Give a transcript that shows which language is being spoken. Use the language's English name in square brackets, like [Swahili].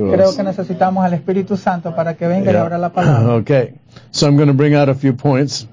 [Spanish] Creo [English] us. [Spanish] Creo que necesitamos al Espíritu Santo para que venga [English] yeah. [Spanish] y abra la palabra. [English] Okay, so I'm going to bring out a few points.